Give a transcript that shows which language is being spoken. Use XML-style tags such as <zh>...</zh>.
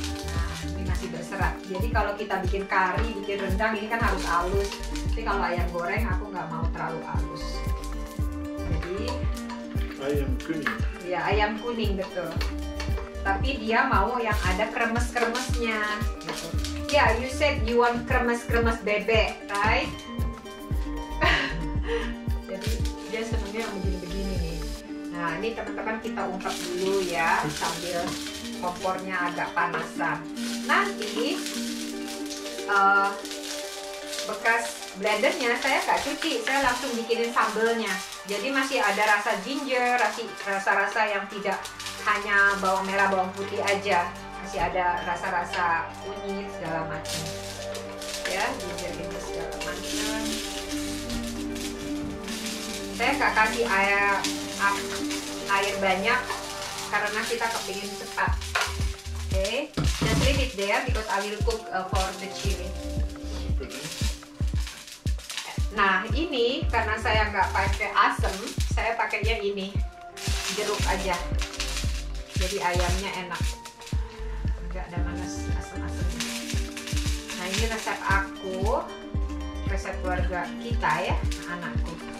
<id>Nah, ini masih berserat. Jadi kalau kita bikin kari, bikin rendang ini kan harus halus. Tapi kalau ayam goreng aku enggak mau terlalu halus. Jadi ayam kuning. Iya, ayam kuning betul. Tapi dia mau yang ada kremes-kremesnya gitu.</id> <en>Ya, you said you want kremes-kremes bebek, right?</en> <id>Jadi dia senangnya yang begini-begini nih. Nah, ini teman-teman kita ungkep dulu ya sambil kompornya agak panasan. Nanti bekas blendernya saya gak cuci, saya langsung bikinin sambelnya. Jadi masih ada rasa ginger, rasa-rasa yang tidak hanya bawang merah, bawang putih aja. Masih ada rasa-rasa kunyit segala macam. Ya, ginger ini segala macam. Saya gak kasih air banyak karena kita kepingin cepat. Oke, okay.</id> <en>Just leave it there because I will cook for the chili.</en> <id>Nah, ini karena saya nggak pakai asam, saya pakainya ini, jeruk aja. Jadi ayamnya enak. Nggak ada manis asam-asamnya. Nah, ini resep aku, resep keluarga kita ya, anakku.</id>